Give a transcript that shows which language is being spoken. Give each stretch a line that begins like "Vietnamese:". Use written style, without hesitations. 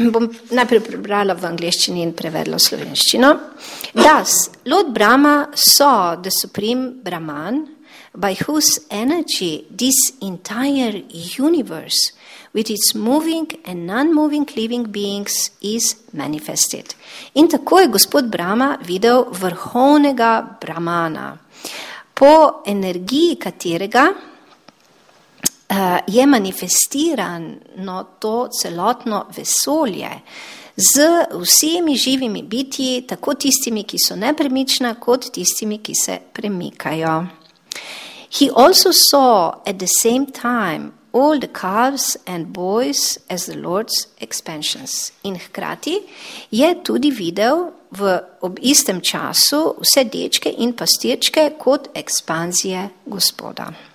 Slovenian: Bom najprej prebrala v angleščini in prevedla v slovenščino.
English: Thus, Lord Brahma saw the Supreme Brahman, by whose energy this entire universe, with its moving and non-moving living beings, is manifested.
Slovenian: In tako je gospod Brahma videl vrhovnega Brahmana, po energiji katerega je manifestirano to celotno vesolje z vsemi živimi bitji, tako tistimi, ki so nepremična, kot tistimi, ki se premikajo.
English: He also saw at the same time all the calves and boys as the Lord's expansions.
Slovenian: In hkrati je tudi videl v ob istem času vse dečke in pastirčke kot ekspanzije gospoda.